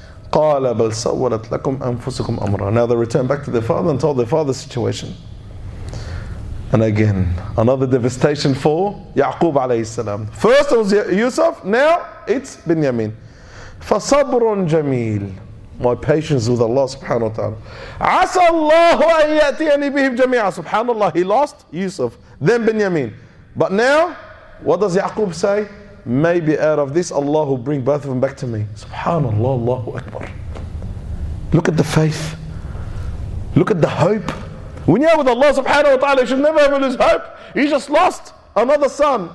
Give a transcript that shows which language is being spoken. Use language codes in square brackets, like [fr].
[ar] قَالَ بَلْ سَوَّلَتْ لَكُمْ أَنفُسُكُمْ أَمْرًا. [en] Now they returned back to their father and told their father's situation. And again, another devastation for Ya'qub alayhi salam. First it was Yusuf, now it's Benjamin. [ar] فَصَبْرٌ جَمِيلٌ. [en] My patience with Allah subhanahu wa ta'ala. [ar] عَسَى اللَّهُ أَن يَأْتِيَنِي بِهِمْ جَمِيعًا. [en] Subhanallah, he lost Yusuf, then Benjamin. But now, what does Ya'qub say? Maybe out of this, Allah will bring both of them back to me. Subhanallah, Allahu Akbar. Look at the faith. Look at the hope. When you're with Allah subhanahu wa ta'ala, you should never ever lose hope. You just lost another son.